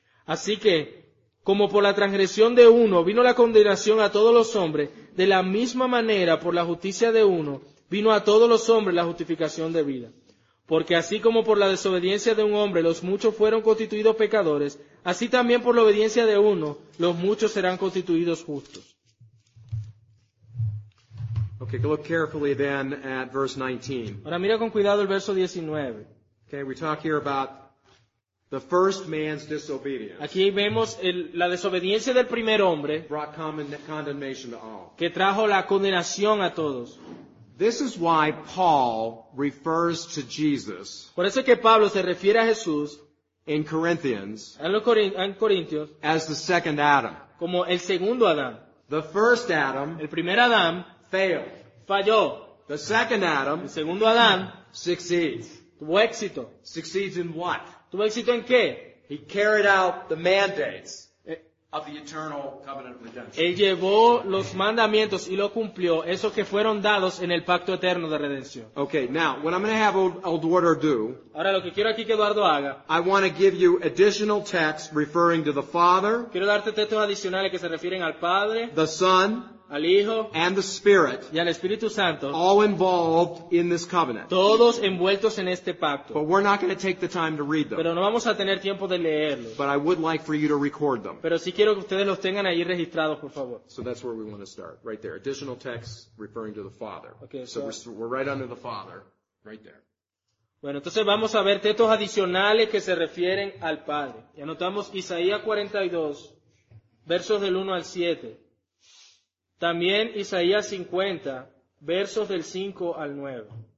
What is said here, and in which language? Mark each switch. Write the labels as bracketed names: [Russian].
[Spanish] Así que, como por la transgresión de uno vino la condenación a todos los hombres, de la misma manera por la justicia de uno vino a todos los hombres la justificación de vida. Porque así como por la desobediencia de un hombre los muchos fueron constituidos pecadores, así también por la obediencia de uno los muchos serán constituidos justos. [English] Okay, look carefully then at verse 19. [Spanish] Ahora mira con cuidado el verso 19. [English] Okay, we talk here about The first man's disobedience. [Spanish] Aquí vemos la desobediencia del primer hombre. [English] Brought condemnation to all. [Spanish] Que trajo la condenación a todos. [English] This is why Paul refers to Jesus. [Spanish] Por eso es que Pablo se refiere a Jesús. [English] In Corinthians. [Spanish] En Corintios. [English] As the second Adam. [Spanish] Como el segundo Adán. [English] The first Adam. [Spanish] El primer Adán. [English] Failed. [Spanish] Falló. [English] The second Adam. [Spanish] El segundo Adán. [English] Succeeds. [Spanish] Tuvo éxito. [English] Succeeds in what? [Spanish] ¿Tuvo éxito en qué? [English] He carried out the mandates of the eternal covenant of redemption. [Spanish] Él llevó los mandamientos y lo cumplió, esos que fueron dados en el pacto eterno de redención. [English] Okay, now, what I'm going to have Eduardo do, [Spanish] ahora lo que quiero aquí que Eduardo haga, [English] I want to give you additional texts referring to the Father, [Spanish] quiero darte textos adicionales que se refieren al Padre, [English] the Son, [Spanish] al Hijo, [English] and the Spirit, [Spanish] y al Espíritu Santo, [English] all involved in this covenant. [Spanish] Todos envueltos en este pacto. [English] But we're not going to take the time to read them. [Spanish] Pero no vamos a tener tiempo de leerlos. [English] But I would like for you to record them. [Spanish] Pero sí quiero que ustedes los tengan ahí registrados, por favor. [English] So that's where we want to start, right there. Additional texts referring to the Father. Okay, so we're right under the Father, right there. [Spanish] Bueno, entonces vamos a ver textos adicionales que se refieren al Padre. Y anotamos Isaías 42, versos del 1 al 7. También Isaías 50, versos del 5 al 9.